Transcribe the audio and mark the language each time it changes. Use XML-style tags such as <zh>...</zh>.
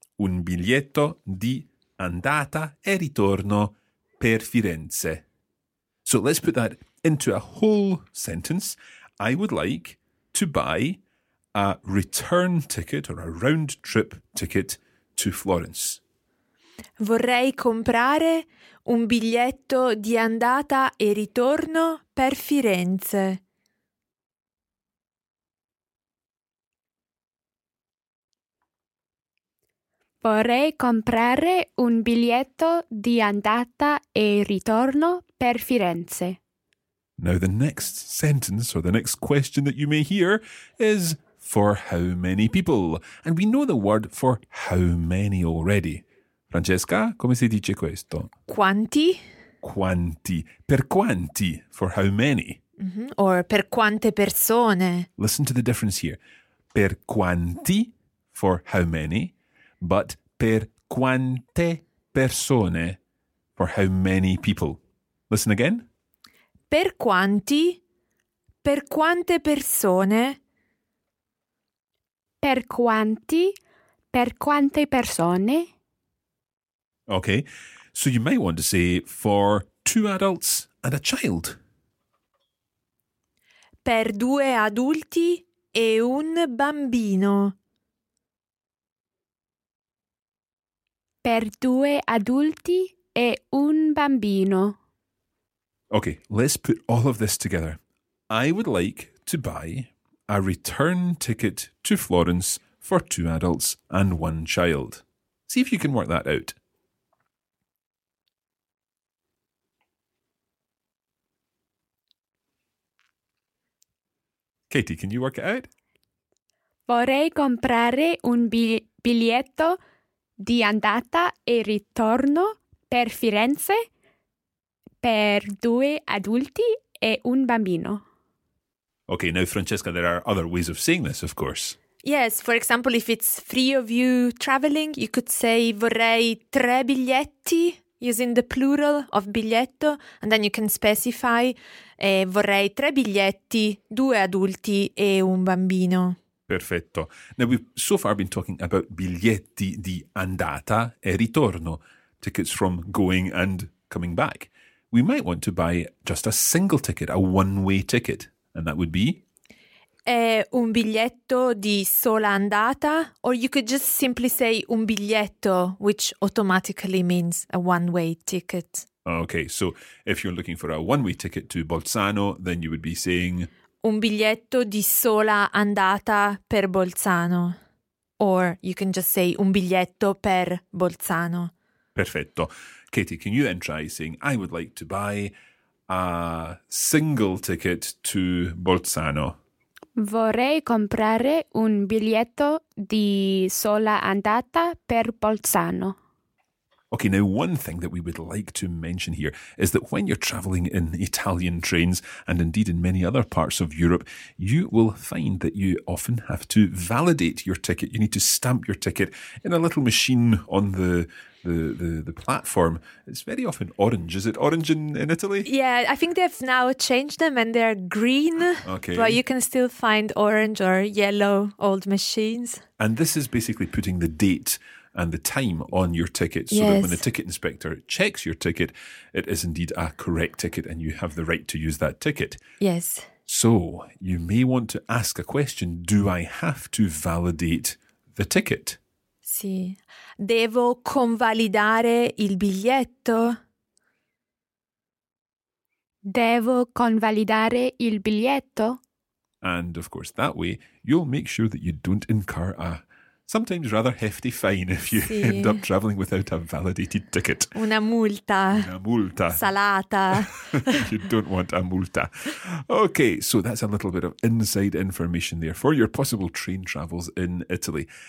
<it>Un biglietto di andata e ritorno per Firenze.</it> <en>So let's put that into a whole sentence. I would like to buy a return ticket or a round trip ticket to Florence.</en> <it>Vorrei comprare un biglietto di andata e ritorno per Firenze. Vorrei comprare un biglietto di andata e ritorno per Firenze.</it> <en>Now the next sentence or the next question that you may hear is for how many people? And we know the word for how many already.</en> <it>Francesca, come si dice questo? Quanti? Quanti. Per quanti?</it> <en>For how many?</en> <it>Mm-hmm. Or per quante persone?</it> <en>Listen to the difference here.</en> <it>Per quanti?</it> <en>For how many? But</en> <it>per quante persone?</it> <en>For how many people? Listen again.</en> <it>Per quanti? Per quante persone? Per quanti? Per quante persone?</it> <en>Okay, so you might want to say for two adults and a child.</en> <it>Per due adulti e un bambino. Per due adulti e un bambino.</it> <en>Okay, let's put all of this together. I would like to buy a return ticket to Florence for two adults and one child. See if you can work that out. Katie, can you work it out?</en> <it>Vorrei comprare un biglietto di andata e ritorno per Firenze per due adulti e un bambino.</it> <en>Okay, now Francesca, there are other ways of saying this, of course. Yes, for example, if it's three of you traveling, you could say</en> <it>vorrei tre biglietti,</it> <en>using the plural of biglietto, and then you can specify</en> <it>vorrei tre biglietti, due adulti e un bambino.</it> <en>Perfetto. Now we've so far been talking about</en> <it>biglietti di andata e ritorno,</it> <en>tickets from going and coming back. We might want to buy just a single ticket, a one-way ticket, and that would be?</en> <it>È un biglietto di sola andata,</it> <en>or you could just simply say</en> <it>un biglietto,</it> <en>which automatically means a one-way ticket. Okay, so if you're looking for a one-way ticket to Bolzano, then you would be saying... Un biglietto di sola andata per Bolzano. Or you can just say</en> <it>un biglietto per Bolzano. Perfetto.</it> <en>Katie, can you then try saying, I would like to buy a single ticket to Bolzano?</en> <it>Vorrei comprare un biglietto di sola andata per Bolzano.</it> <en>Okay, now one thing that we would like to mention here is that when you're travelling in Italian trains, and indeed in many other parts of Europe, you will find that you often have to validate your ticket. You need to stamp your ticket in a little machine on the platform. It's very often orange. Is it orange in Italy? Yeah, I think they've now changed them and they're green. Okay. But you can still find orange or yellow old machines. And this is basically putting the date and the time on your ticket, so yes, that when the ticket inspector checks your ticket, it is indeed a correct ticket and you have the right to use that ticket. Yes. So you may want to ask a question, do I have to validate the ticket?</en> <it>Sì. Devo convalidare il biglietto? Devo convalidare il biglietto?</it> <en>And of course, that way you'll make sure that you don't incur a sometimes rather hefty fine if you</en> <it>sì.</it> <en>end up traveling without a validated ticket.</en> <it>Una multa. Salata.</it> <en>You don't want a multa. Okay, so that's a little bit of inside information there for your possible train travels in Italy.</en>